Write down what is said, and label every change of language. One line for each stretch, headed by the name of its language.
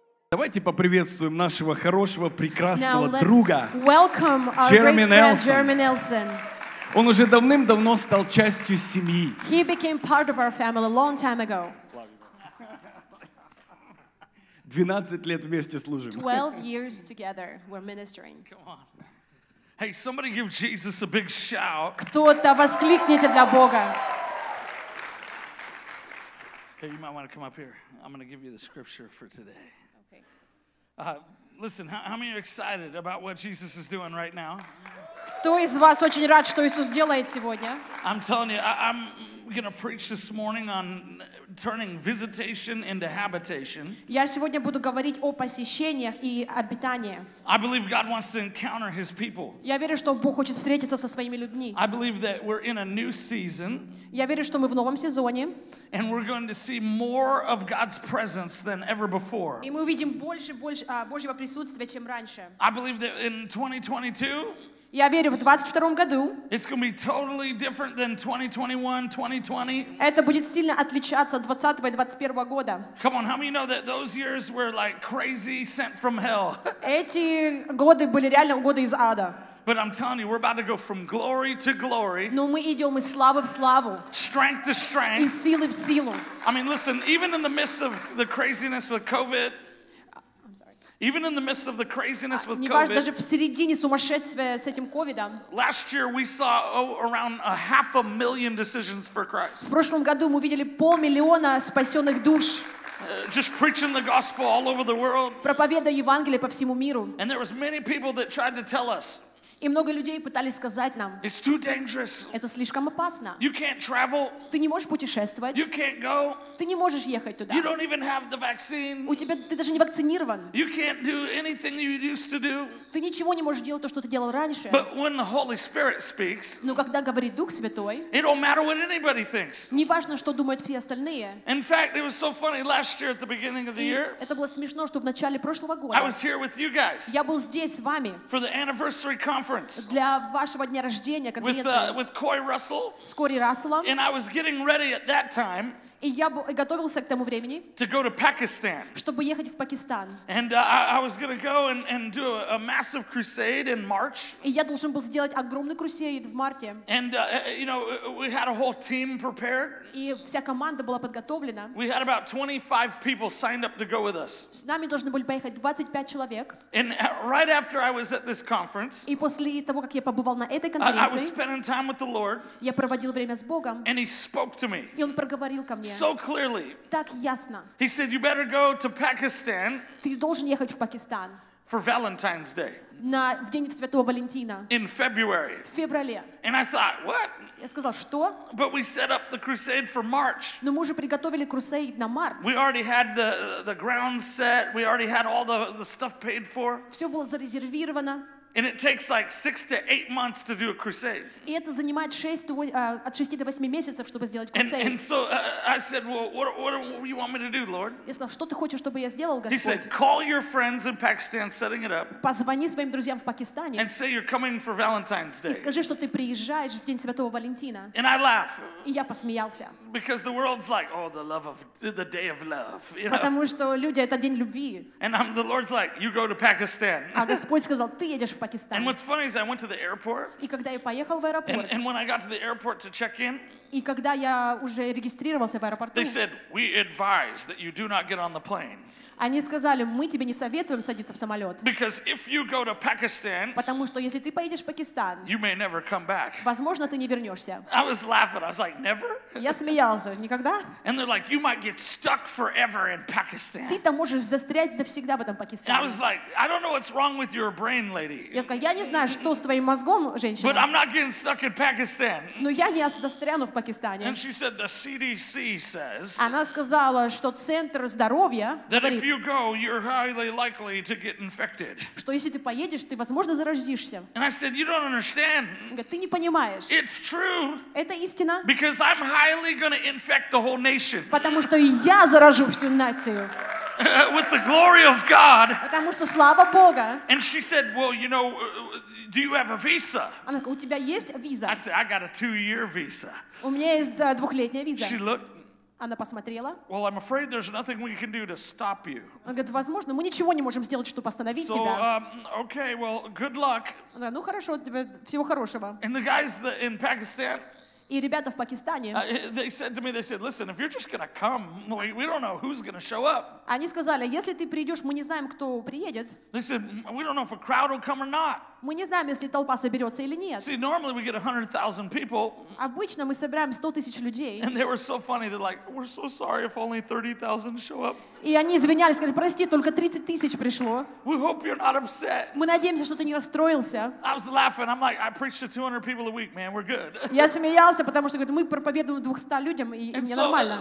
Russian: Давайте поприветствуем нашего хорошего, прекрасного друга Джереми Нельсона. Он уже давным-давно стал частью семьи.
English: He became part of our family a long time ago.
Russian: 12 лет вместе служим.
English: 12 years together we're ministering. Come on. Hey, somebody give Jesus a big shout.
Russian: Кто-то воскликните для Бога.
English: Hey, you might want to come up here. I'm going to give you the scripture for today. Okay. Listen, how many are excited about what Jesus is doing right now?
Russian: Кто из вас очень рад, что Иисус делает сегодня?
English: I'm telling you, I'm going to preach this morning on turning visitation into habitation.
Russian: Я сегодня буду говорить о посещениях и обитании.
English: I believe God wants to encounter His people.
Russian: Я верю, что Бог хочет встретиться со своими людьми.
English: I believe that we're in a new season.
Russian: Я верю, что мы в новом сезоне.
English: And we're going to see more of God's presence than ever before.
Russian: И мы увидим больше Божьего присутствия, чем раньше.
English: I believe that in 2022.
Russian: Я верю, в 22-м году
English: it's going to be totally different than 2021, 2020.
Russian: Это будет сильно отличаться от 20-го и 21-го года.
English: Come on, how many know that those years were like crazy sent from hell?
Russian: Эти годы были реально годы из ада.
English: But I'm telling you, we're about to go from glory to glory.
Russian: Но мы идем из славы в славу.
English: Strength to strength.
Russian: Из силы в силу.
English: I mean, listen, even in the midst of the craziness with COVID, even in the midst of the craziness with COVID,
Russian: даже в середине сумасшествия с этим ковидом,
English: last year we saw around 500,000 decisions for Christ.
Russian: В прошлом году мы видели полмиллиона спасенных душ.
English: Just preaching the gospel all over the world.
Russian: Проповедуя Евангелие по всему миру.
English: And there was many people that tried to tell us.
Russian: И много людей пытались сказать нам.
English: It's too dangerous.
Russian: Это слишком опасно.
English: You can't travel.
Russian: Ты не можешь путешествовать.
English: You can't go.
Russian: Ты не можешь ехать туда.
English: You don't even have the vaccine.
Russian: У тебя ты даже не вакцинирован.
English: You can't do anything you used to do.
Russian: Ты ничего не можешь делать то, что ты делал раньше.
English: But when the Holy Spirit speaks,
Russian: но когда говорит Дух Святой,
English: it don't matter what anybody thinks.
Russian: Не важно, что думают все остальные.
English: In fact, it was so funny last year at the beginning of the year.
Russian: Это было смешно, что в начале прошлого года.
English: I was here with you guys.
Russian: Я был здесь с вами.
English: For the anniversary conference.
Russian: Для вашего дня рождения, конференции.
English: With Corey Russell.
Russian: С Кори Расселом.
English: And I was getting ready at that time.
Russian: И я готовился к тому времени,
English: to go to Pakistan.
Russian: Чтобы ехать в Пакистан.
English: And I was going to go and do a massive crusade in March.
Russian: И я должен был сделать огромный крусейд в марте.
English: And you know, we had a whole team prepared.
Russian: И вся команда была подготовлена.
English: We had about 25 people signed up to go with us.
Russian: С нами должны были поехать 25 человек.
English: And right after I was at this conference,
Russian: и после того, как я побывал на этой конференции,
English: I was spending time with the Lord.
Russian: Я проводил время с Богом.
English: And He spoke to me.
Russian: И Он проговорил ко мне.
English: So clearly.
Russian: Так ясно.
English: He said, "You better go to Pakistan."
Russian: Ты должен ехать в Пакистан.
English: For Valentine's Day.
Russian: На в день Святого Валентина.
English: In February.
Russian: В феврале.
English: And I thought, "What?"
Russian: Я сказал, что?
English: But we set up the crusade for March.
Russian: Но мы уже приготовили крусейд на март.
English: We already had the ground set. We already had all the stuff paid for.
Russian: Все было зарезервировано.
English: And it takes like 6 to 8 months to do a crusade.
Russian: И это занимает от 6 до 8 месяцев, чтобы сделать крусейд.
English: And so I said, "Well, what do you want me to do, Lord?"
Russian: Я сказал, что ты хочешь, чтобы я сделал, Господь?
English: He said, "Call your friends in Pakistan, setting it up."
Russian: Позвони своим друзьям в Пакистане.
English: And say you're coming for Valentine's Day.
Russian: И скажи, что ты приезжаешь в день Святого Валентина.
English: And I laugh.
Russian: И я посмеялся.
English: Because the world's like, "Oh, the love of the day of love." You know?
Russian: Потому что люди, это день любви.
English: And I'm the Lord's like, "You go to Pakistan."
Russian: А Господь сказал, ты едешь.
English: And what's funny is I went to the airport.
Russian: И когда я поехал в аэропорт.
English: And when I got to the airport to check in.
Russian: И когда я уже регистрировался в аэропорту.
English: They said, "We advise that you do not get on the plane."
Russian: Они сказали, мы тебе не советуем садиться в самолет.
English: Because if you go to Pakistan.
Russian: Потому что если ты поедешь в Пакистан.
English: You may never come back.
Russian: Возможно, ты не вернешься.
English: I was laughing. I was like, "Never?"
Russian: Я смеялся, никогда?
English: And they're like, "You might get stuck forever in Pakistan."
Russian: Ты там можешь застрять навсегда в этом Пакистане.
English: I was like, "I don't know what's wrong with your brain, lady."
Russian: Я сказал, я не знаю, что с твоим мозгом, женщина.
English: But I'm not getting stuck in Pakistan.
Russian: Но я не застряну в Пакистане.
English: And she said, "The CDC says."
Russian: Она сказала, что центр здоровья говорит.
English: If you go, you're highly likely to get infected.
Russian: Что если ты поедешь, ты возможно заразишься.
English: And I said, "You don't understand."
Russian: Ты не понимаешь.
English: It's true.
Russian: Это истина.
English: Because I'm highly going to infect the whole nation.
Russian: Потому что я заражу всю нацию.
English: With the glory of God.
Russian: Потому что слава Бога.
English: And she said, "Well, you know, do you have a visa?"
Russian: Она сказала, у тебя есть виза?
English: I said, "I got a 2-year visa."
Russian: У меня есть двухлетняя виза.
English: She looked.
Russian: Она посмотрела.
English: Well, I'm afraid there's nothing we can do to stop you.
Russian: Она говорит, возможно, мы ничего не можем сделать, чтобы остановить тебя.
English: So, okay, well, good luck.
Russian: Да, ну хорошо, тебе всего хорошего.
English: And the guys in Pakistan.
Russian: И ребята в Пакистане.
English: They said to me, they said, listen, if you're just gonna come, we don't know who's gonna show up.
Russian: Они сказали, если ты придешь, мы не знаем, кто приедет.
English: They said, we don't know if a crowd will come or not.
Russian: Мы не знаем, если толпа соберется или нет.
English: See, normally we get 100,000 people.
Russian: Обычно мы собираем 100,000 людей.
English: And they were so funny. They're like, we're so sorry if only 30,000 show up.
Russian: И они извинялись, сказали, прости, только 30,000 пришло.
English: We hope you're not upset.
Russian: Мы надеемся, что ты не расстроился.
English: I was laughing. I'm like, I preach to 200 people a week, man. We're good.
Russian: Я смеялся, потому что говорит, мы проповедуем 200 людям, и мне нормально.